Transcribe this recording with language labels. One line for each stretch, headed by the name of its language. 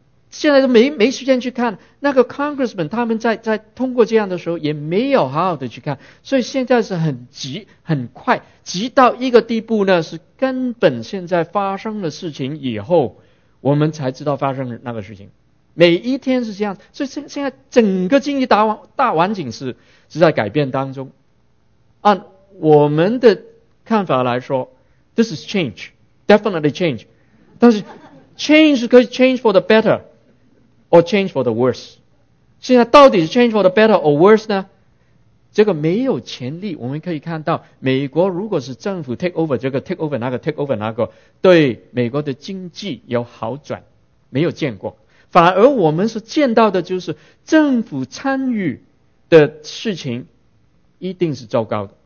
Chinese: 现在都没时间去看那个 congressman 他们在通过这样的时候也没有好好的去看，所以现在是很急很快，急到一个地步呢，是根本现在发生的事情以后我们才知道发生那个事情，每一天是这样，所以现在整个经济大环境是在改变当中。按我们的看法来说
English: ，this is change， definitely change，
Chinese: 但是
English: change
Chinese: 可以
English: change for the better， or change for the worse。
Chinese: 现在到底是
English: change for the better or worse
Chinese: 呢？这个没有潜力。我们可以看到，美国如果是政府 take over 这个 take over 那个 take over 那个，对美国的经济有好转，没有见过。反而我们是见到的就是政府参与的事情一定是糟糕的。